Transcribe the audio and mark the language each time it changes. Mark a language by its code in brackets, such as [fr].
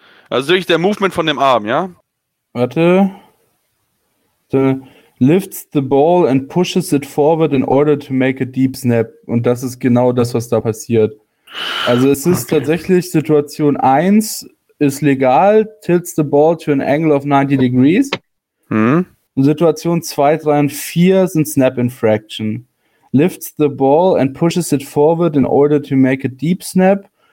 [de] Also wirklich der Movement von dem Arm, ja? Warte. So. [en] Lifts the ball and pushes it forward in order to make a deep snap. [de] Und das ist genau das, was da passiert. Also es ist tatsächlich Situation 1, ist legal, [en] tilts the ball to an angle of 90 degrees. [de] Und Situation 2, 3 und 4 sind snap infraction. [en] Lifts the ball and pushes it forward in order to make a deep snap.